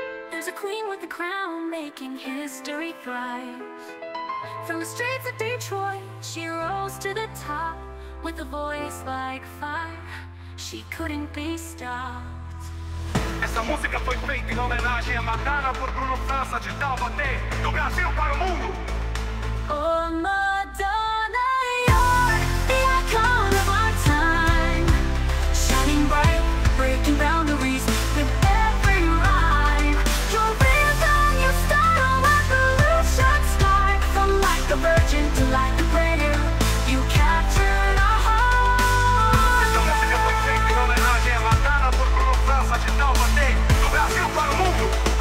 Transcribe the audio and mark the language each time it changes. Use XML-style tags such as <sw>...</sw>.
<en>There's a queen with a crown making history thrive. From the streets of Detroit, she rose to the top with a voice like fire. She couldn't be stopped.</en> <pt>Essa música foi feita em homenagem à Madonna por Bruno França de Taubaté, do Brasil para o mundo.</pt> <en>Oh, Madonna, you're the icon of our time. Shining bright, breaking boundaries with every rhyme. Your rhythm, your style, revolution start. From like a virgin to like a prayer, you captured our hearts.</en> <pt>Essa música foi feita em homenagem à Madonna por Bruno França de Taubaté, do Brasil para o mundo.</pt>